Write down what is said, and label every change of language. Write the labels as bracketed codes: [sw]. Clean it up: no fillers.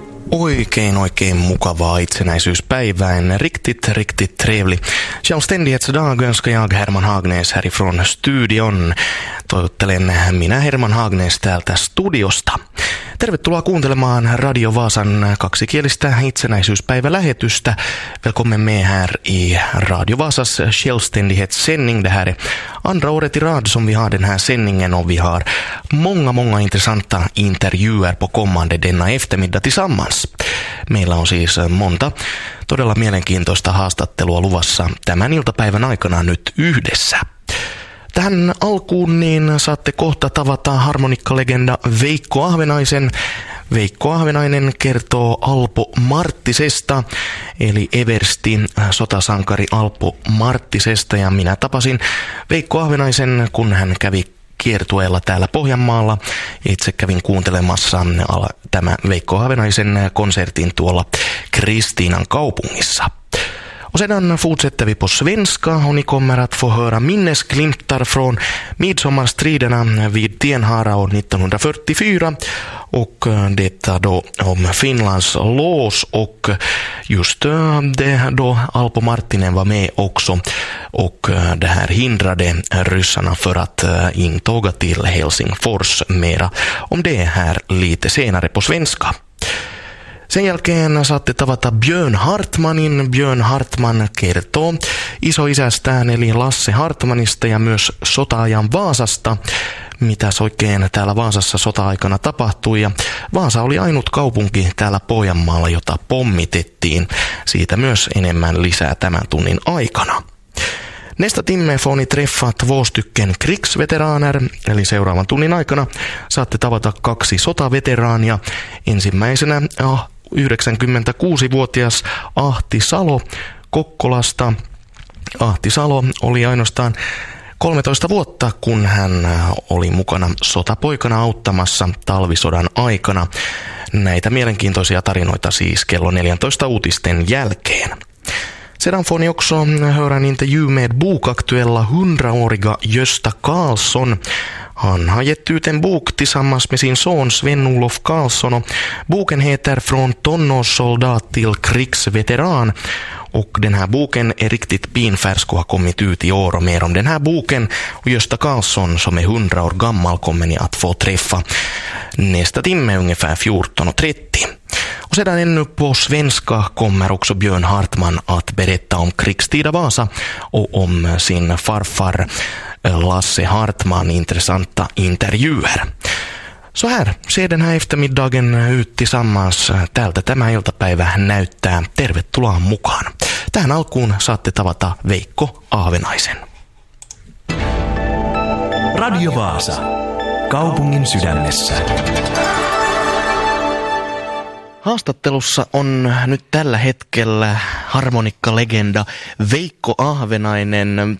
[fi] Oikein mukavaa itsenäisyyspäivää. [sv] Riktigt trevli. Självständighetsdagen ska jag, Herman Haagnes, härifrån studion. [fi] Toivottelen minä, Herman Haagnes, täältä studiosta. Tervetuloa kuuntelemaan Radio Vaasan kaksikielistä itsenäisyyspäivälähetystä. [sv] Välkommen med här i Radio Vaasas självständighetssändning. Det här är andra året i rad som vi har den här sändningen och vi har många intressanta intervjuer på kommande denna eftermiddag tillsammans. [fi] Meillä on siis monta todella mielenkiintoista haastattelua luvassa tämän iltapäivän aikana nyt yhdessä. Tähän alkuun niin saatte kohta tavata harmonikkalegenda Veikko Ahvenaisen. Veikko Ahvenainen kertoo Alpo Marttisesta, eli Eversti, sotasankari Alpo Marttisesta. Ja minä tapasin Veikko Ahvenaisen, kun hän kävi kiertueella täällä Pohjanmaalla. Itse kävin kuuntelemassa tämä Veikko Ahvenaisen konsertin tuolla Kristiinan kaupungissa. [sv] Och sedan fortsätter vi på svenska och ni kommer att få höra minnesglimtar från midsommarstriderna vid Tienhara 1944 och detta då om Finlands lås och just det då Alpo Marttinen var med också och det här hindrade ryssarna för att intåga till Helsingfors mera om det här lite senare på svenska. [fi] Sen jälkeen saatte tavata Björn Hartmanin. Björn Hartman kertoo isoisästään eli Lasse Hartmanista ja myös sota-ajan Vaasasta, mitä oikein täällä Vaasassa sota-aikana tapahtui. Ja Vaasa oli ainut kaupunki täällä Pohjanmaalla, jota pommitettiin. Siitä myös enemmän lisää tämän tunnin aikana. [sv] Nästa timme får ni träffa två stycken krigsveteraner, [fi] eli seuraavan tunnin aikana saatte tavata kaksi sotaveteraania. Ensimmäisenä 96-vuotias Ahti Salo Kokkolasta. Ahti Salo oli ainoastaan 13 vuotta, kun hän oli mukana sotapoikana auttamassa talvisodan aikana. Näitä mielenkiintoisia tarinoita siis kello 14 uutisten jälkeen. [sv] Sedan får ni också höra en intervju med bokaktuella 100-åriga Gösta Karlsson. Han har gett ut en bok tillsammans med sin son Sven-Olof Karlsson. Boken heter Från tonårssoldat till krigsveteran. Och den här boken är riktigt pinfärsk och har kommit ut i år. Och mer om den här boken och Gösta Karlsson som är 100 år gammal kommer ni att få träffa nästa timme ungefär 14.30. Och sedan ännu på svenska kommer också Björn Hartman att berätta om krigstida Vasa och om sin farfar Lasse Hartman intressanta intervjuer. Så här ser den här eftermiddagen ut tillsammans. [fi] Tältä tämä iltapäivä näyttää. Tervetuloa mukaan. Tähän alkuun saatte tavata Veikko Ahvenaisen. Radio Vaasa. Kaupungin sydämessä. Haastattelussa on nyt tällä hetkellä harmonikkalegenda Veikko Ahvenainen.